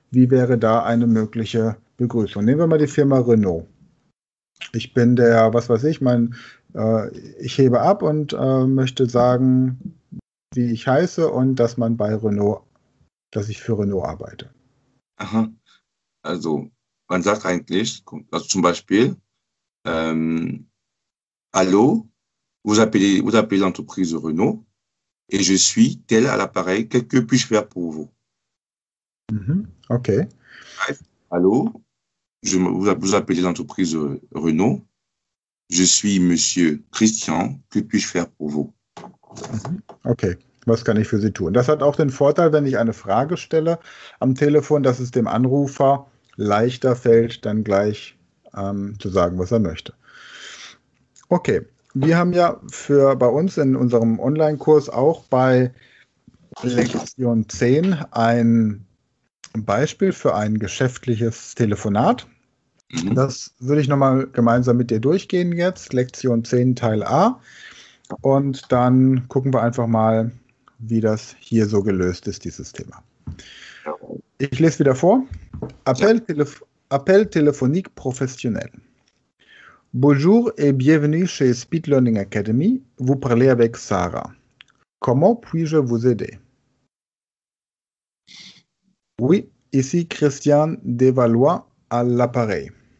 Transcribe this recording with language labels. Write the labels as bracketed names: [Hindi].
[German] Wie wäre da eine mögliche Begrüßung? Nehmen wir mal die Firma Renault. Ich bin der, was weiß ich, ich hebe ab und möchte sagen, wie ich heiße und dass man bei Renault, dass ich für Renault arbeite. Aha. Also, man sagt eigentlich, also zum Beispiel, [French] Allô, vous appelez l'entreprise Renault et je suis tel à l'appareil, que puis-je faire pour vous? [German] Okay. [French] Allô, Vous appelez l'entreprise Renault. Je suis Monsieur Christian. Que puis-je faire pour vous? [German] Okay, was kann ich für Sie tun? Das hat auch den Vorteil, wenn ich eine Frage stelle am Telefon, dass es dem Anrufer leichter fällt, dann gleich zu sagen, was er möchte. Okay, wir haben ja für bei uns in unserem Online-Kurs auch bei Lektion 10 ein Beispiel für ein geschäftliches Telefonat. Das würde ich nochmal gemeinsam mit dir durchgehen jetzt, Lektion 10 Teil A. Und dann gucken wir einfach mal, wie das hier so gelöst ist, dieses Thema. Ich lese wieder vor. [French] Appel téléphonique professionnel. Bonjour et bienvenue chez Speed Learning Academy. Vous parlez avec Sarah. Comment puis-je vous aider? Oui, ici Christian Desvalois à l'appareil.